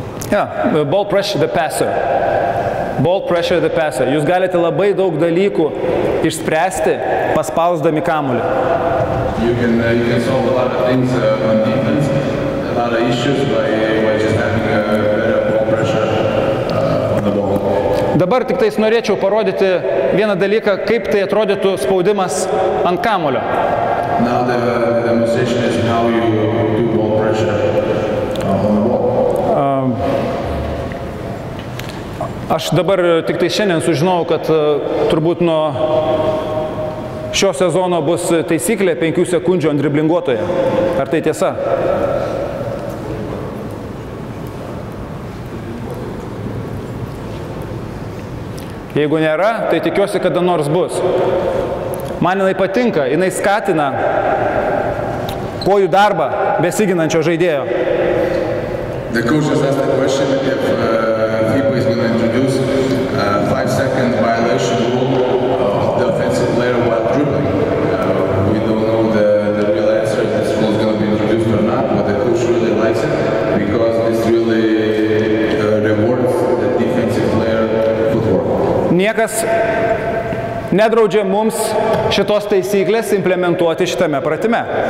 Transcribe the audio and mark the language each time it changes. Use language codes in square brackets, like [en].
[en] Yeah, ball pressure the passer. Ball pressure the passer. [lt] Jūs galite labai daug dalykų išspręsti, paspausdami kamulį. [en] You can solve a lot of things on defense, a lot of issues by just having a better ball pressure on the ball. [lt] Dabar tik tais norėčiau parodyti vieną dalyką, kaip tai atrodytų spaudimas ant kamulio. [en] Now the demonstration is how you do ball pressure. [lt] Aš dabar tik tai šiandien sužinojau, kad turbūt nuo šio sezono bus taisyklė 5 sekundžių ant driblinguotoje. Ar tai tiesa? Jeigu nėra, tai tikiuosi, kada nors bus. Man jinai patinka, jinai skatina kojų darbą besiginančio žaidėjo. [en] The coach has asked the question if FIBA is going to introduce a 5-second violation rule of the offensive player while dribbling. We don't know the real answer if this rule is going to be introduced or not, but the coach really likes it because this really rewards the defensive player footwork. [lt] Niekas nedraudžia mums šitos taisyklės implementuoti šitame pratime.